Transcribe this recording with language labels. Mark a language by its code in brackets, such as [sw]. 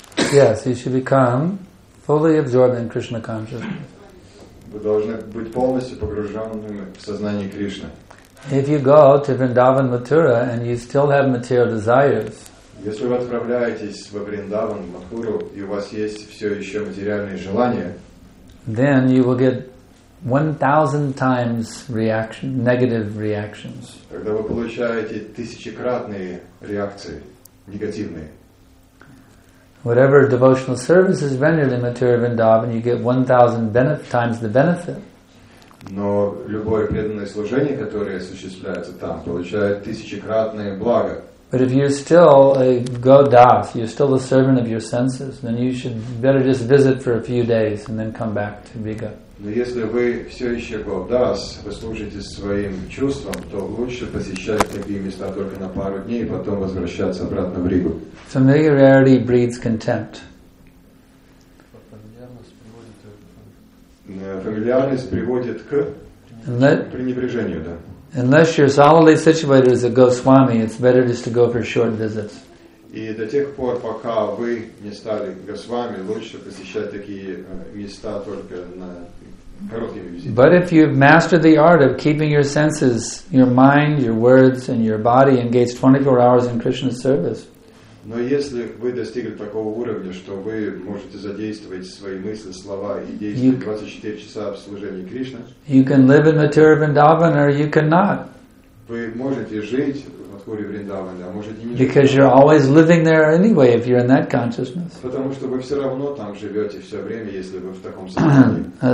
[en] Yes, you should become fully absorbed in Krishna consciousness. [ru] Вы должны быть полностью погруженными в сознание Кришны. [en] If you go to Vrindavan Mathura and you still have material desires, [ru] если вы отправляетесь во Вриндаван Мадхуру и у вас есть все еще материальные желания, [en] then you will get 1,000 times negative reactions. [ru] Тогда вы получаете тысячекратные реакции, негативные. [en] Whatever devotional service is rendered in material Vrindavan, you get 1,000 times the benefit. [ru] Но любое преданное служение, которое осуществляется там, получает тысячекратное благо. [en] But if you're still a go-das, you're still a servant of your senses, then you should better just visit for a few days and then come back to Riga. [ru] Но если вы все еще go-das, вы служите своим чувством, то лучше посещать такие места только на пару дней и потом возвращаться обратно в Ригу. [en] Familiarity breeds contempt. [ru] Фамильярность приводит к пренебрежению, да. [en] Unless you're solidly situated as a Goswami, it's better just to go for short visits. [ru] И до тех пор, пока вы не стали Госвами, лучше посещать такие места только на короткие визиты. [en] But if you've mastered the art of keeping your senses, your mind, your words, and your body engaged 24 hours in Krishna's service. [ru] Но если вы достигли такого уровня, что вы можете задействовать свои мысли, слова и действия 24 часа в служении Кришне, [en] you can live in Mathura Vrindavan or you cannot. [ru] Вы можете жить в Мадхуре Вриндаване, а можете не жить. [en] Because you're always living there anyway if you're in that consciousness. [ru] Потому что вы все равно там живете все время, если вы в таком состоянии.